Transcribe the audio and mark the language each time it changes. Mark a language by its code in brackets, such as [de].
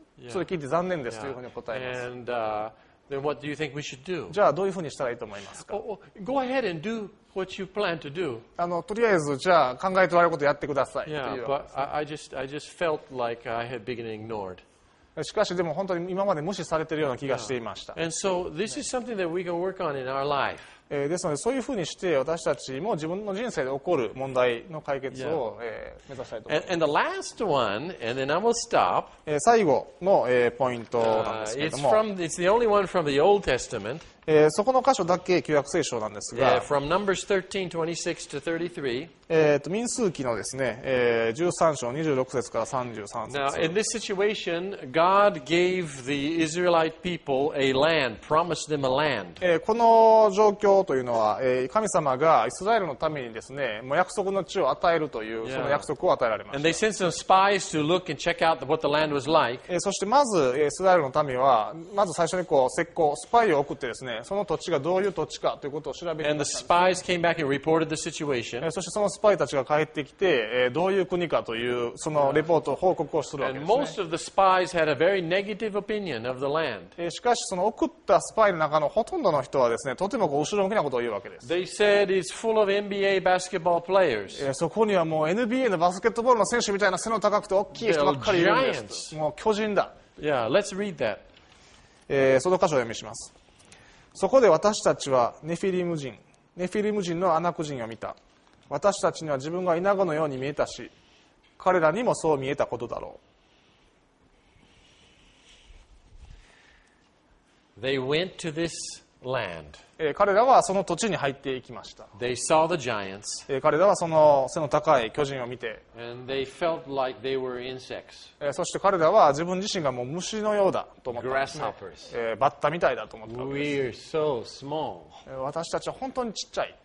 [ja] それ聞いて残念ですというふうに答えます。 [en] Yeah. And, Then what do you think we should do? [ja] じゃあどういうふうにしたらいいと思いますか? [en] Go ahead and do what you plan to do. [ja] とりあえずじゃあ考えておられることやってください。 [en] Yeah, but I just felt like I had been ignored. [ja] しかしでも本当に今まで無視されているような気がしていました。 [en] And so this is something that we can work on in our life. [ja] ですのでそういうふうにして私たちも自分の人生で起こる問題の解決を、目指したいと思います。 [en] And the last one, and then I will stop. [ja] 最後の、ポイントなんですけれども、 [en] It's the only one from the Old Testament. [ja] そこの箇所だけ旧約聖書なんですが、 [en] from Numbers 13, 26 to 33. [ja] 民数記のですね、13章26節から33節。 [en] Now, in this situation, God gave the Israelite people a land, promised them a land. [ja] この状況というのは神様がイスラエルのためにですね、もう約束の地を与えるというその約束を与えられました。 [en] And they sent some spies to look and check out what the land was like. [ja] そしてまずイスラエルの民はまず最初にこう石膏スパイを送ってですね、その土地がどういう土地かということを調べてました。 [en] And the spies came back and reported the situation. [ja] そしてそのスパイたちが帰ってきてどういう国かというそのレポート報告をするわけですね。 [en] And most of the spies had a very negative opinion of the land. [ja] しかしその送ったスパイの中のほとんどの人はですね、とてもこう後ろ向きなことを言うわけです。 [en] They said it's full of NBA basketball players. [ja] そこにはもう NBA のバスケットボールの選手みたいな背の高くて大きい人ばっかりいるんです。もう巨人だ。 [en] Yeah, let's read that. [ja] その箇所を読みします。そこで私たちはネフィリム人のアナク人を見た。私たちには自分がイナゴのように見えたし、彼らにもそう見えたことだろう。 [en] They went to this land. [ja] 彼らはその土地に入っていきました。 [en] They saw the giants. [ja] 彼らはその背の高い巨人を見て、 [en] And they felt like they were insects. [ja] そして彼らは自分自身がもう虫のようだと思ったんですね。 [en] Grasshoppers. [ja] バッタみたいだと思ったんです。 [en] We are so small. [ja] 私たちは本当にちっちゃい。